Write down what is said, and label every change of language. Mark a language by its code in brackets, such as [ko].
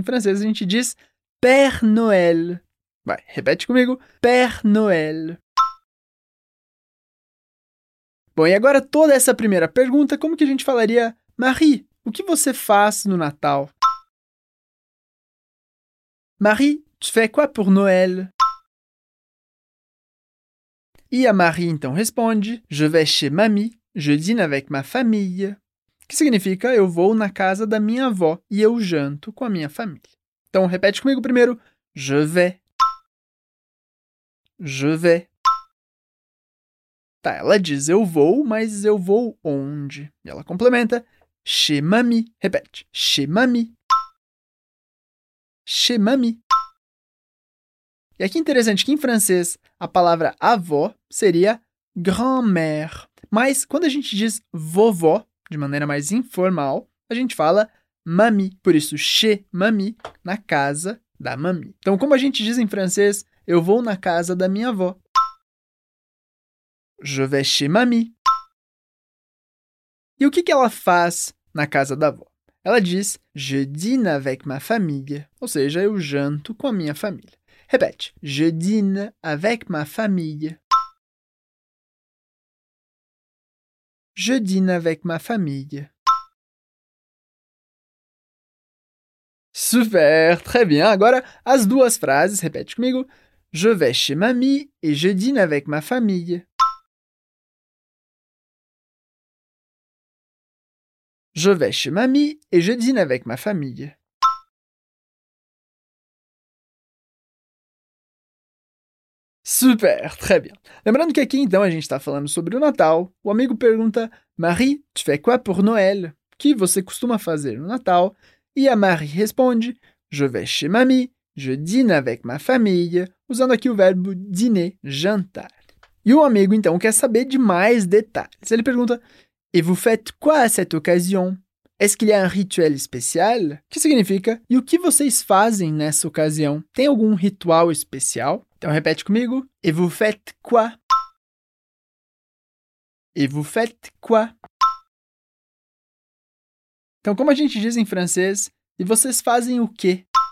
[pt] Em francês, a gente diz Père Noël. Vai, repete comigo. [fr] Père Noël. [pt] Bom, e agora toda essa primeira pergunta, como que a gente falaria Marie, o que você faz no Natal? [fr] Marie, tu fais quoi pour Noël? [pt] E a Marie então responde: [fr] Je vais chez mamie, je dîne avec ma famille. [pt] Que significa eu vou na casa da minha avó e eu janto com a minha família. Então repete comigo primeiro: [fr] Je vais. Je vais. [pt] Tá, ela diz eu vou, mas eu vou onde? E ela complementa: [fr] Chez mamie. [pt] Repete: Chez mamie. Chez mamie. E aqui é interessante que em francês a palavra avó seria grand-mère. Mas quando a gente diz vovó, de maneira mais informal, a gente fala mamie. Por isso, [fr] chez mamie, [pt] na casa da mamie. Então, como a gente diz em francês, eu vou na casa da minha avó. Je vais chez mamie. E o que, que ela faz na casa da avó? Ela diz, [fr] je dîne avec ma famille. [pt] Ou seja, eu janto com a minha família. Repete. [fr] Je dîne avec ma famille. Je dîne avec ma famille. Super, très bien. [pt] Agora, as duas frases, repete comigo. [fr] Je vais chez mamie et je dîne avec ma famille. Je vais chez mamie et je dîne avec ma famille. Super, très bien. [pt] Lembrando que aqui, então, a gente está falando sobre o Natal. O amigo pergunta, [fr] Marie, tu fais quoi pour Noël? [pt] Que você costuma fazer no Natal? E a Marie responde, [fr] je vais chez mamie, je dîne avec ma famille, [pt] usando aqui o verbo dîner, jantar. E o amigo, então, quer saber de mais detalhes. Ele pergunta, [fr] et vous faites quoi à cette occasion? Est-ce qu'il y a un rituel spécial? [pt] Que significa, e o que vocês fazem nessa ocasião? Tem algum ritual especial? Então, repete comigo. [fr] Et vous faites quoi? Et vous faites quoi? [pt] Então, como a gente diz em francês, e vocês fazem o quê?